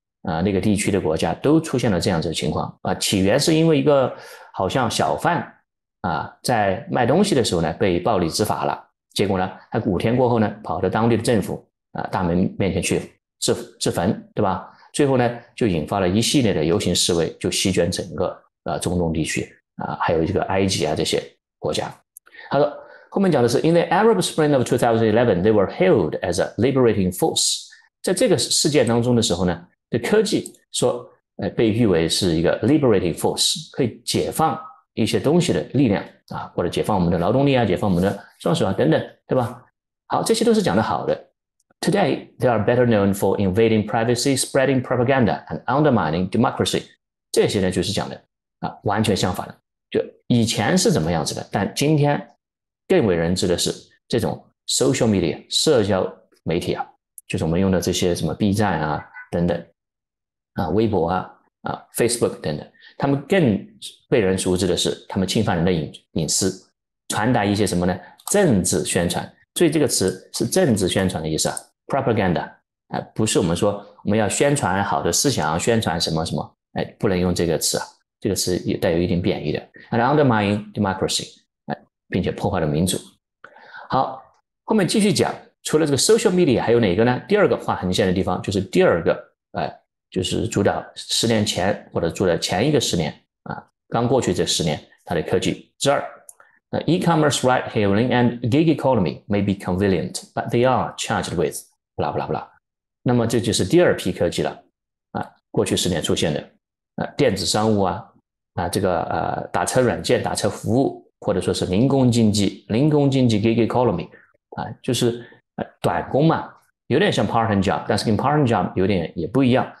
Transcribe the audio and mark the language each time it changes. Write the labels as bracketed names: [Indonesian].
[Chinese] 那个地区的国家都出现了这样子的情况啊。起源是因为一个好像小贩在卖东西的时候呢被暴力执法了，结果呢他5天过后呢跑到当地的政府大门面前去自焚，对吧？最后呢就引发了一系列的游行示威，就席卷整个中东地区还有这个埃及啊这些国家。他说后面讲的是， [English] In the Arab Spring of 2011, they were hailed as a liberating force。 [Chinese] 在这个事件当中的时候呢。这科技说，被誉为是一个 [English] liberating force， [Chinese] 可以解放一些东西的力量啊，或者解放我们的劳动力啊，解放我们的双手啊，等等，对吧？好，这些都是讲得好的。 [English] Today they are better known for invading privacy, spreading propaganda, and undermining democracy。 [Chinese] 这些呢，就是讲的完全相反的。就以前是怎么样子的，但今天更为人知的是这种 social media 社交媒体啊，就是我们用的这些什么 B 站啊等等。微博Facebook 等等，他们更被人熟知的是，他们侵犯人的隐私，传达一些什么呢？政治宣传。所以这个词是政治宣传的意思啊，propaganda 不是我们说我们要宣传好的思想，宣传什么什么，不能用这个词啊，这个词也带有一点贬义的。 [English] And undermine democracy， [Chinese] 并且破坏了民主。好，后面继续讲，除了这个 social media，还有哪个呢？第二个画横线的地方就是第二个，就是主导10年前或者主导前一个10年刚过去这10年，它的科技。第二， [English] e-commerce ride hailing and gig economy may be convenient, but they are charged with blah blah blah。 [Chinese] 那么这就是第二批科技了过去10年出现的电子商务这个打车软件、打车服务，或者说是零工经济 gig economy 就是短工嘛，有点像 part time job，但是跟 part time job 有点也不一样。